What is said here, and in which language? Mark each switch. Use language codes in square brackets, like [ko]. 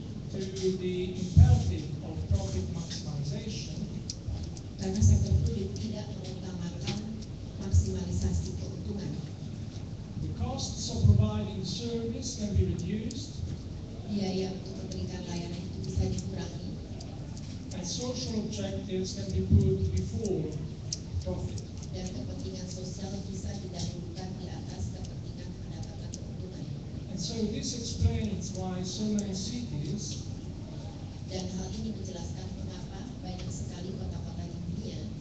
[en] to the imperative of profit maximization, [id] karena sektor publik tidak mengutamakan maksimalisasi keuntungan. [en] Costs of providing service can be reduced. [id] Biaya untuk memberikan layanan itu bisa dikurangi. [en] And social objectives can be put before profit. [id] Dan kepentingan sosial bisa didahulukan di atas kepentingan pendapatan keuntungan. [en] And so this explains why so many cities. [id] Dan hal ini menjelaskan mengapa banyak sekali kota-kota di dunia